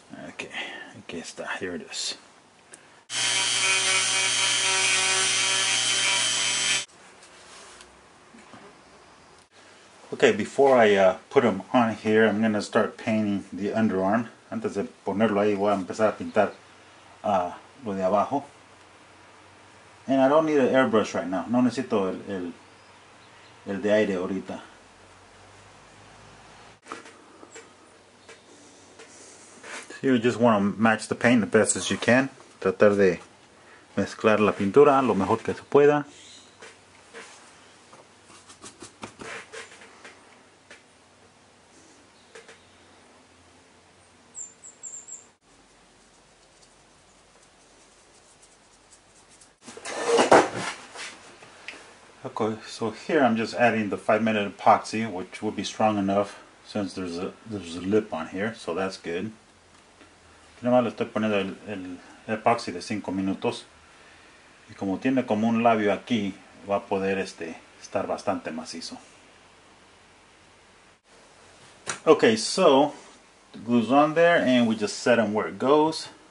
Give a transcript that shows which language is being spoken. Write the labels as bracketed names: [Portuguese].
[English] Okay, [Spanish] aquí está. [English] Here it is. Okay, before I put them on here, I'm going to start painting the underarm. [Spanish] Antes de ponerlo ahí, voy a empezar a pintar lo de abajo. [English] And I don't need an airbrush right now. [Spanish] No necesito el de aire ahorita. [English] So you just want to match the paint the best as you can. [Spanish] Tratar de mezclar la pintura lo mejor que se pueda. [English] Okay, so here I'm just adding the 5-minute epoxy, which will be strong enough since there's a lip on here, so that's good. [Spanish] Además le estoy poniendo el epoxy de 5 minutos. Y como tiene como un labio aquí, va a poder estar bastante macizo. [English] Okay, so the glue's on there and we just set them where it goes.